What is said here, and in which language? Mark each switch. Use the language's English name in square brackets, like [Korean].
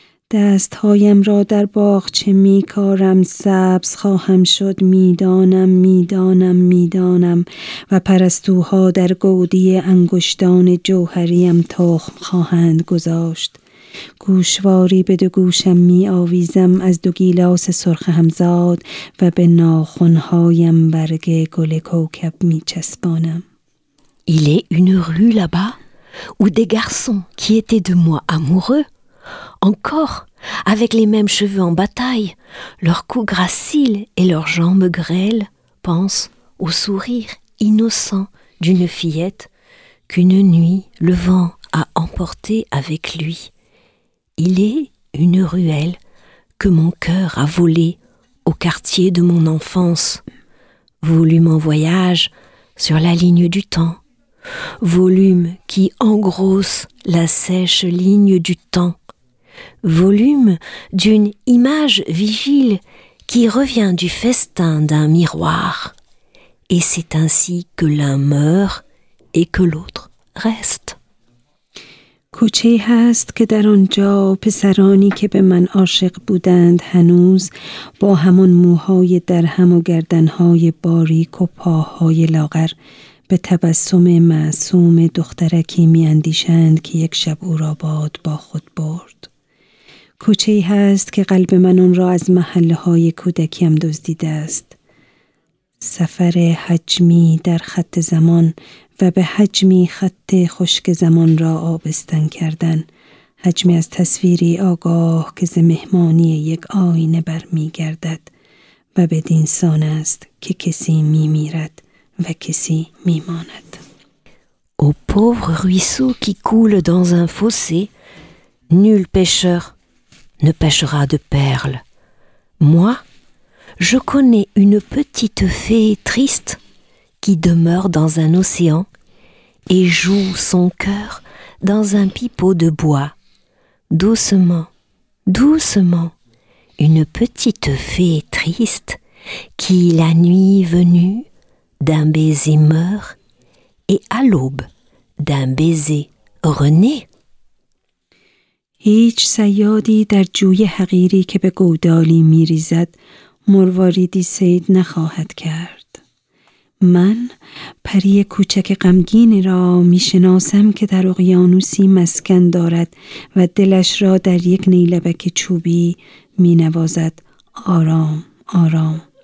[Persian] دستهایم را در باغ چه میکارم، سبز خواهم شد، میدانم میدانم میدانم، و پرستوها در گودی انگشتان جوهریم تخم خواهند گذاشت. گوشواری به دو گوشم می آویزم از دو گیلاس سرخ همزاد و به ناخونهایم برگ گل کوکب می چسبانم. [French] Il est une rue là-bas où des garçons qui étaient de moi amoureux, encore avec les mêmes cheveux en bataille, leurs cou graciles et leurs jambes grêles, pensent au sourire innocent d'une fillette qu'une nuit le vent a emporté avec lui. Il est une ruelle que mon cœur a volée au quartier de mon enfance. Volume en voyage sur la ligne du temps. Volume qui engrosse la sèche ligne du temps. Volume d'une image vigile qui revient du festin d'un miroir. Et c'est ainsi que l'un meurt et que l'autre reste. [Persian] کوچه هست که در آنجا پسرانی که به من عاشق بودند هنوز با همان موهای درهم و گردنهای باریک و پاهای لاغر به تبسم معصوم دخترکی می اندیشند که یک شب او را باد با خود برد. کوچه هست که قلب من اون را از محله های کودکیم دزدیده است. سفر حجمی در خط زمان و به حجمی خط خشک زمان را آبستن کردن، حجمی از تصویری آگاه که ز مهمانی یک آینه بر می گردد و به دینسان است که کسی می میرد و کسی می ماند. [French] Au pauvre ruisseau qui coule dans un fossé, nul pêcheur ne pêchera de perles. Moi, je connais une petite fée triste qui demeure dans un océan et joue son cœur dans un pipeau de bois. Doucement, doucement, une petite fée triste qui, la nuit venue, d'un baiser meurt et à l'aube d'un baiser renaît. [Persian] هیچ صیادی در جوی حقیری که به گودالی میریزد مرواریدی صید نخواهد کرد. من پری کوچک غمگین را میشناسم که در اقیانوسی مسکن دارد و دلش را در یک نیلبک چوبی مینوازد آرام آرام.